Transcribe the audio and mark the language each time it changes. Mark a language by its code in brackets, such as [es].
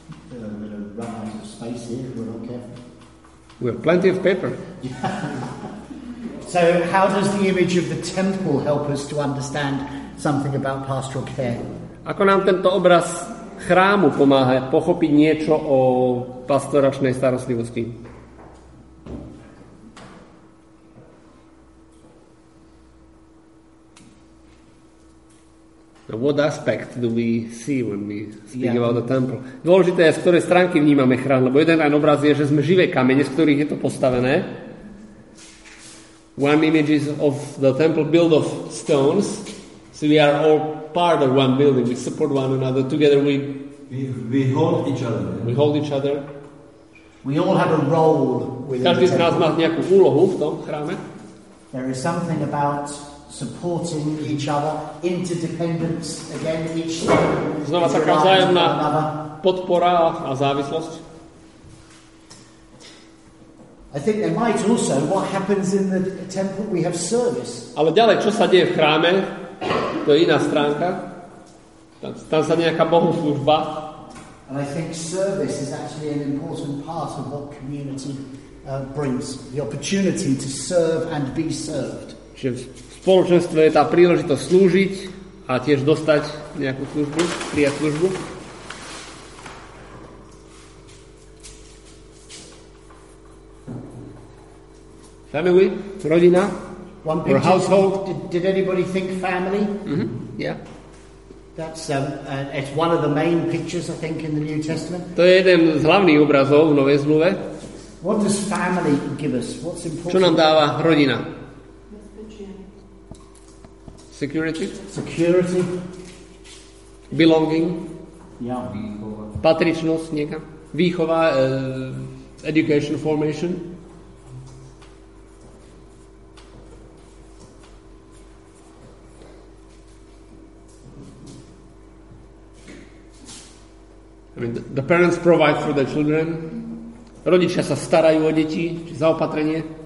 [en] We're going to run out of space here, we're not careful. We have plenty of paper. So how does the image of the temple help us to understand something about pastoral care? [sk] Ako nám tento obraz chrámu pomáha pochopiť niečo o pastoračnej starostlivosti? [en] Now what aspect do we see when we speak about the temple? [sk] Dôležité je, z ktorej stránky vnímame chrám, lebo jeden aj obraz je, že sme živé kamene, z ktorých je to postavené. [en] One image is of the temple built of stones. So we are all part of one building. We support one another. Together we hold each other. We hold each other. We all have a role within. [sk] Každý z nás má nejakú úlohu v tom chráme. [en] There is something about supporting each other, interdependence, again each other. [sk] Znova taká vzájomná podpora a závislosť. [en] I think there might also what happens in the temple. We have service. [sk] Ale ďalej, čo sa deje v chráme? To je iná stránka. Tam sa nejaká bohoslužba. [en] And I think service is actually an important part of what community brings. The opportunity to serve and be served. [sk] Čiže v spoločenstve je tá príležitosť slúžiť a tiež dostať nejakú službu, prijať službu. [en] Family, rodina. One picture. Or household. Did anybody think family? Mm-hmm. Yeah. That's it's one of the main pictures, I think, in the New Testament. To je jeden z hlavných obrazov v Novej zmluve. What does family give us? What's important? Čo nám dáva rodina? [sk] Bezpečie. [en] Security. Belonging. Yeah. [sk] Patričnosť niekam. Výchova, [en] education formation. I mean, the parents provide for their children. [sk] Rodičia sa starajú o deti, či zaopatrenie.